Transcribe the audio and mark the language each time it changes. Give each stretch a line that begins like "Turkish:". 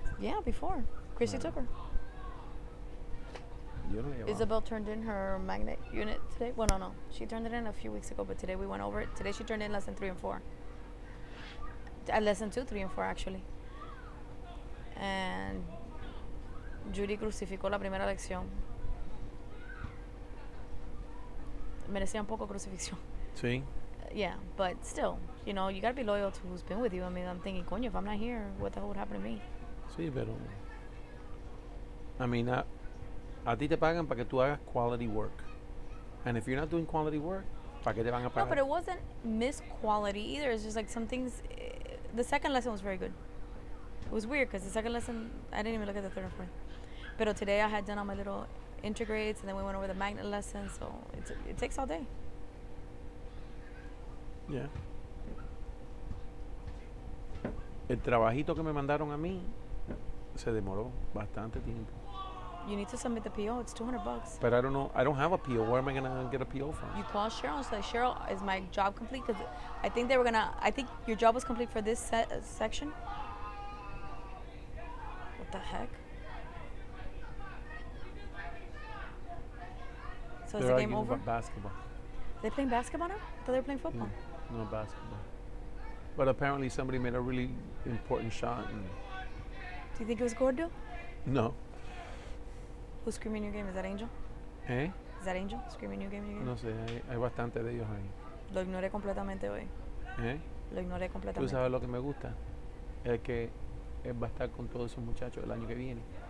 English: Yeah, before. Christy took her. Isabel turned in her magnet unit today. Well, no. She turned it in a few weeks ago, but today we went over it. Today she turned in lesson 3 and 4. Lesson 2, 3 and 4, actually. And Judy crucificó la primera lección. Merecía un poco crucifixión. Sí. Yeah, but still, you know, you gotta be loyal to who's been with you. I mean, I'm thinking, coño, if I'm not here, what the hell would happen to me?
Spanish: Sí, pero...
English: I mean,
Spanish: a ti te pagan para que tú hagas
English: quality work. And if you're not doing quality work,
Spanish: ¿para qué te van a pagar?
English: No, but it wasn't missed quality either. It's just like some things... the second lesson was very good. It was weird because the second lesson, I didn't even look at the third or fourth. Pero today I had done all my little integrates, and then we went over the magnet lesson, so it takes all day. Yeah.
Spanish: El trabajito que me mandaron a mí se demoró bastante tiempo.
English: You need to submit the PO. It's $200. But I don't know. I don't have a PO. Where am I going to get a PO from? You call Cheryl and say, Cheryl, is my job complete? Because I think they were going to... I think your job was complete for this section. What the heck? So they're is the game over? They're arguing about basketball. Are they playing basketball now? I thought they were playing football. No, no basketball. But apparently somebody made a really important shot. And do you think it was Gordo? No. Who's screaming your game? Is that Angel? Eh? Is that Angel screaming your game again?
Spanish: No sé, hay bastante de ellos ahí. Lo ignoré completamente hoy. Eh? Lo ignoré completamente. Tú sabes lo que me gusta. Es que él va a estar con todos esos muchachos el año que viene.